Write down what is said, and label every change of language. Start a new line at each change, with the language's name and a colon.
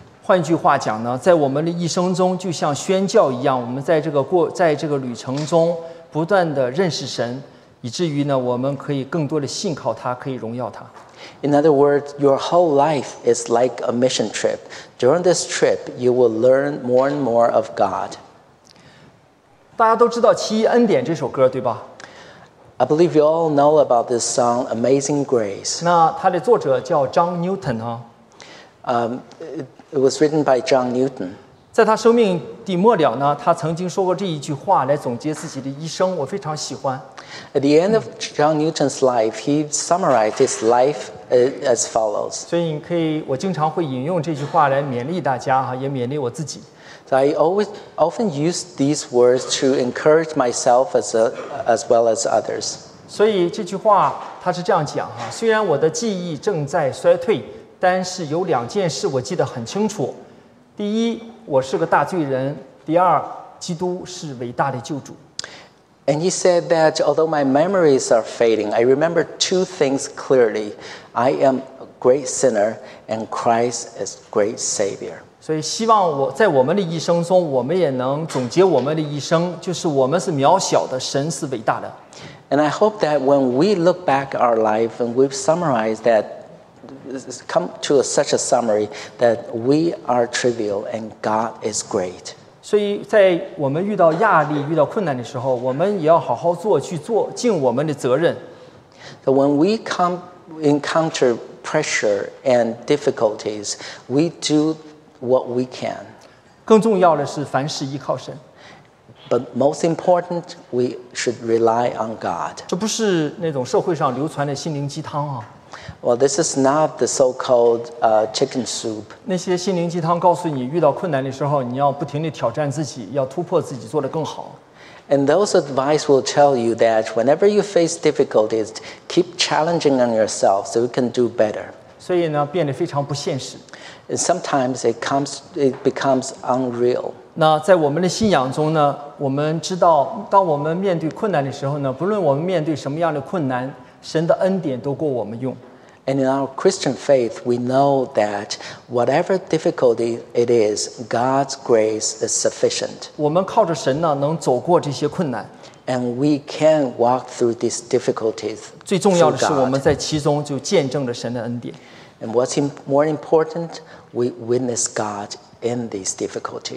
Chinese: 换句话讲呢，在我们的一生中，就像宣教一样，我们在这个旅程中不断的认识神，以至于呢，我们可以更多的信靠他，可以荣耀他。
English: In other words, your whole life is like a mission trip. During this trip, you will learn more and more of God.
Chinese: 大家都知道奇异恩典这首歌对吧
English: I believe you all know about this song Amazing Grace
Chinese: 那它的作者叫 John Newton、啊
English: It was written by John Newton
Chinese: 在他生命的末了呢他曾经说过这一句话来总结自己的一生我非常喜欢
English: At the end of John Newton's life He summarized his life as follows
Chinese: 所以你可以我经常会引用这句话来勉励大家也勉励我自己
English: So I always often use these words to encourage myself as well as others.
Chinese: 所以这句话它是这样讲啊，虽然我的记忆正在衰退，但是有两件事我记得很清楚。第一，我是个大罪人；第二，基督是伟大的救主。
English: And he said that although my memories are fading, I remember two things clearly. I am a great sinner, and Christ is great Savior.
Chinese: 所以希望我在我们的一生中我们也能总结我们的一生就是我们是渺小的神是伟大的
English: And I hope that when we look back our life and we've summarized that come to such a summary that we are trivial and God is great
Chinese: 所以在我们遇到压力遇到困难的时候我们也要好好做去做尽我们的责任
English: So when we encounter pressure and difficulties we doWhat we can.
Chinese: 更重要的是凡事依靠神。
English: But most important, we should rely on God.
Chinese: 这不是那种社会上流传的心灵鸡汤啊。
English: Well, this is not the so-called chicken soup.
Chinese: 那些心灵鸡汤告诉你遇到困难的时候你要不停地挑战自己要突破自己做得更好。
English: And those advice will tell you that whenever you face difficulties, keep challenging on yourself so you can do better.
Chinese: 所以呢变得非常不现实。
English: And sometimes it becomes unreal.
Chinese: 那在我们的信仰中呢，我们知道，当我们面对困难的时候呢，不论我们面对什么样的困难，神的恩典都够我们用。
English: And in our Christian faith, we know that whatever difficulty it is, God's grace is sufficient.
Chinese: 我们靠着神呢，能走过这些困难。
English: And we can walk through these difficulties.
Chinese: 最重要的是我们在其中就见证了神的恩典。
English: And what's more important, we witness God in these difficulties.